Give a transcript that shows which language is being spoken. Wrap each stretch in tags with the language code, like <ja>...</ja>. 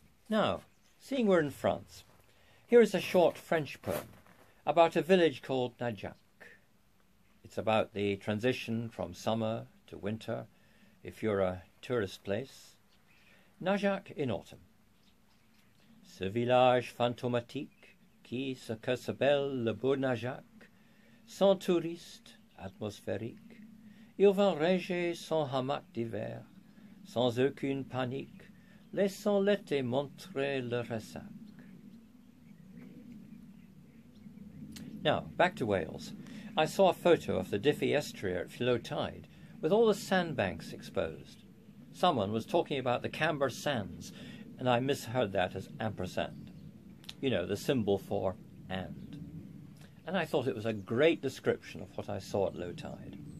<en>Now, seeing we're in France, here is a short French poem about a village called Najac. It's about the transition from summer to winter, if you're a tourist place. Najac in autumn.</en> <fr>Ce village fantomatique, qui ce que s'appelle le beau Najac, sans touriste atmosphérique, il va ranger son hamac d'hiver, sans aucune panique, laissant l'été montrer le ressac.</fr> <en>Now, back to Wales. I saw a photo of the Diffey estuary at low tide, with all the sandbanks exposed. Someone was talking about the Camber Sands, and I misheard that as ampersand. You know, the symbol for and. And I thought it was a great description of what I saw at low tide.</en>